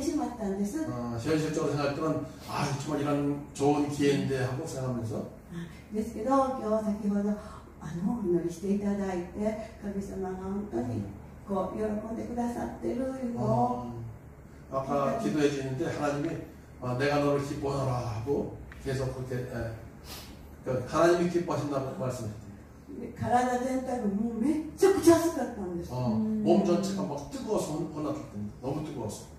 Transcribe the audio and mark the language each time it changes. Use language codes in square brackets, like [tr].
[ko] 현실적으로 생각했던 아 정말 이런 좋은 기회인데 하고 생각하면서. [ja] 아,ですけど今日先ほどお祈りしていただいて神様が本当にこう喜んでくださってるの。 [ko] 아까 기도해 주는데 하나님이 내가 너를 기뻐하라 하고 계속 그렇게 하나님이 기뻐하신다고 말씀했대요.몸 전체가 막 뜨거워서 혼났대요. 너무 뜨거워서.